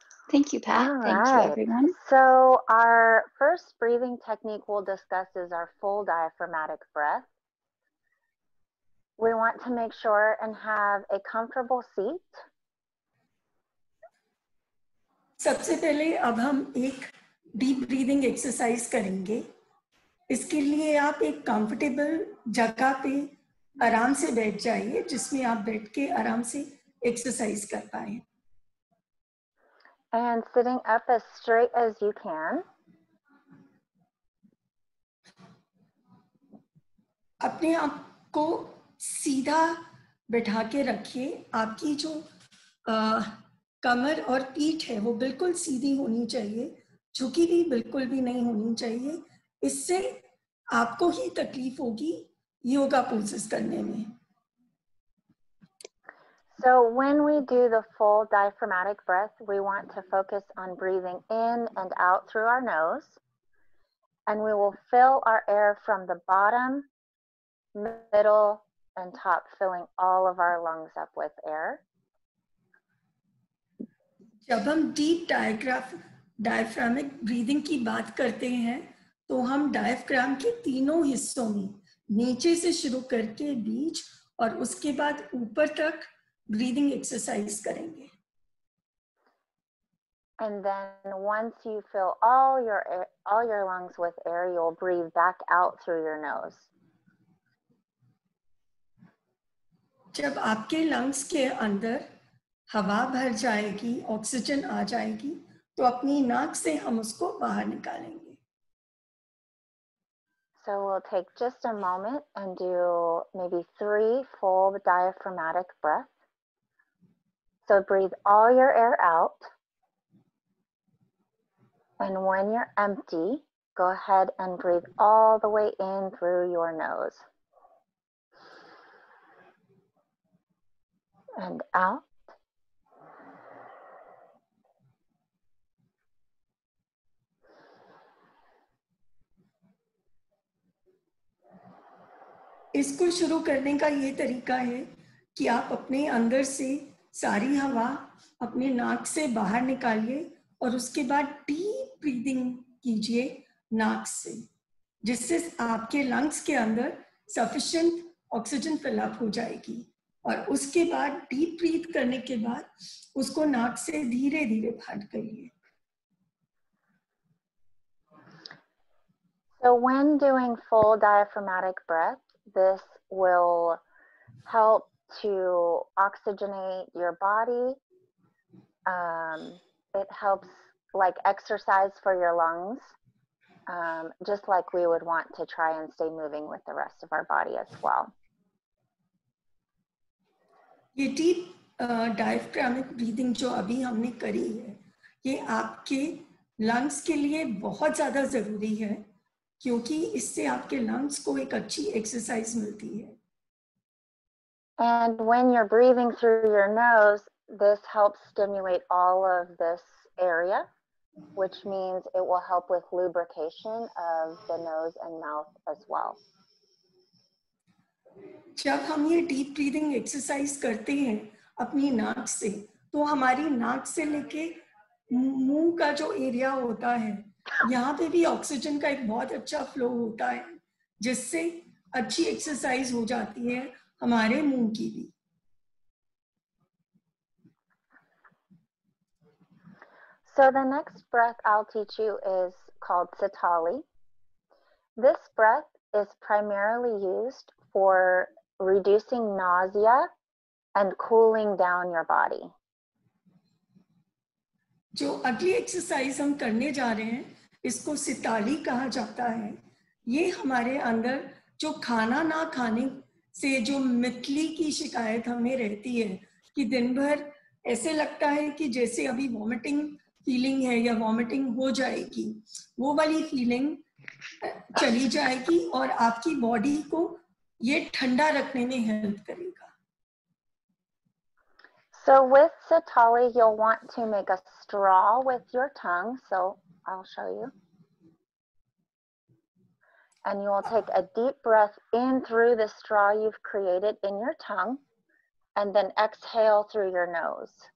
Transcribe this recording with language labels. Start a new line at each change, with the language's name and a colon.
English: Thank you, Pat. All thank right. you, everyone. So our first breathing technique we'll discuss is our full diaphragmatic breath. We want to make sure and have a comfortable seat.
Hindi: सबसे पहले अब हम एक deep breathing exercise करेंगे इसके लिए आप एक कंफर्टेबल जगह पे आराम से बैठ जाइए जिसमें आप बैठ के आराम से एक्सरसाइज कर पाए
English: and sitting up as straight as you can
Hindi: अपने आप को सीधा बैठा के रखिए आपकी जो कमर और पीठ है वो बिल्कुल सीधी होनी चाहिए झुकी भी बिल्कुल भी नहीं होनी चाहिए इससे आपको ही तकलीफ होगी योगा पोजेस करने में.
English: So when we do the full diaphragmatic breath, we want to focus on breathing in and out through our nose. And we will fill our air from the bottom, middle, and top, filling all of our lungs up with air.
Hindi: जब हम deep diaphragmatic breathing की बात करते हैं, तो हम diaphragm के तीनों हिस्सों में, नीचे से शुरू करके बीच और उसके बाद ऊपर तक breathing exercise करेंगे.
English: And then once you fill all your lungs with air, you'll breathe back out through your nose.
Hindi: जब आपके lungs के अंदर हवा भर जाएगी, oxygen आ जाएगी, तो अपनी नाक से हम उसको बाहर निकालेंगे.
English: So we'll take just a moment and do maybe 3 full diaphragmatic breaths. So breathe all your air out. And when you're empty, go ahead and breathe all the way in through your nose. And out.
Hindi: इसको शुरू करने का ये तरीका है कि आप अपने अंदर से सारी हवा अपने नाक से बाहर निकालिए और उसके बाद डीप ब्रीदिंग कीजिए नाक से, जिससे आपके लंग्स के अंदर सफिशिएंट ऑक्सीजन फिल अप हो जाएगी और उसके बाद डीप ब्रीथ करने के बाद उसको नाक से धीरे धीरे बाहर करिए.
English: So when doing full diaphragmatic breath, this will help to oxygenate your body. It helps like exercise for your lungs, just like we would want to try and stay moving with the rest of our body as well.
Hindi: ये deep diaphragmatic breathing जो अभी हमने करी है, ये आपके lungs के लिए बहुत ज़्यादा ज़रूरी है, क्योंकि इससे आपके lungs को एक अच्छी exercise मिलती है.
English: And when you're breathing through your nose, this helps stimulate all of this area, which means it will help with lubrication of the nose and mouth as well.
Hindi: जब हम ये deep breathing exercise करते हैं अपनी नाक से, तो हमारी नाक से लेके मुंह का जो area होता है, यहाँ पे भी oxygen का एक बहुत अच्छा flow होता है, जिससे अच्छी exercise हो जाती है हमारे मुंह की भी.
English: So the next breath I'll teach you is called Sitali. This breath is primarily used for reducing nausea and cooling down your body.
Hindi: जो अगली एक्सरसाइज हम करने जा रहे हैं, इसको Sitali कहा जाता है. ये हमारे अंदर जो खाना ना खाने से जो मितली की शिकायत हमें रहती है कि दिन भर ऐसे लगता है कि जैसे अभी वॉमिटिंग फीलिंग है या वॉमिटिंग हो जाएगी, वो वाली फीलिंग चली जाएगी और आपकी बॉडी को ये ठंडा रखने में हेल्प करेगा.
English: So with Sitali, you'll want to make a straw with your tongue. So I'll show you. And you will take a deep breath in through the straw you've created in your tongue, and then exhale through your nose.